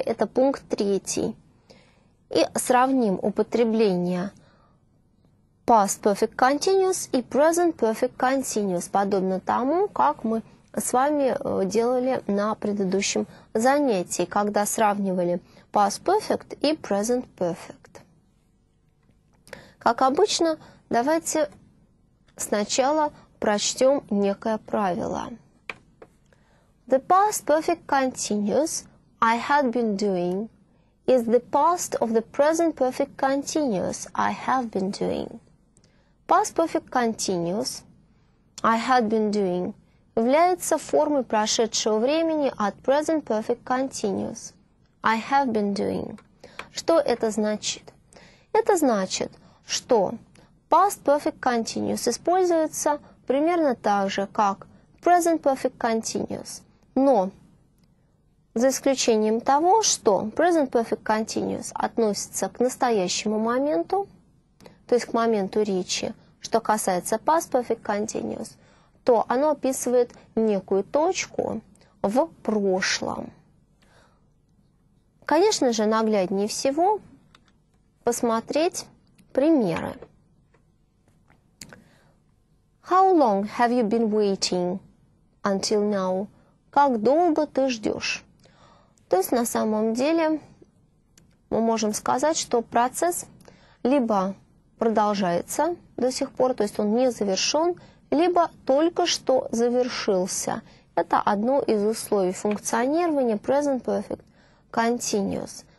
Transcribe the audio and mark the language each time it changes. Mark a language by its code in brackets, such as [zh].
[ru] Это пункт 3. И сравним употребление past perfect continuous и present perfect continuous, подобно тому, как мы с вами делали на предыдущем занятии, когда сравнивали past perfect и present perfect. Как обычно, давайте сначала прочтем некое правило. [en] The past perfect continuous I had been doing is the past of the present perfect continuous I have been doing. [ru] Past perfect continuous [en] I had been doing [ru] является формой прошедшего времени от present perfect continuous. [en] I have been doing. [ru] Что это значит? Это значит, что past perfect continuous используется примерно так же, как present perfect continuous. Но за исключением того, что present perfect continuous относится к настоящему моменту, то есть к моменту речи, что касается past perfect continuous, то оно описывает некую точку в прошлом. Конечно же, нагляднее всего посмотреть примеры. [en] How long have you been waiting until now? [ru] Как долго ты ждешь? То есть, на самом деле, мы можем сказать, что процесс либо продолжается до сих пор, то есть он не завершен, либо только что завершился. Это одно из условий функционирования present perfect continuous.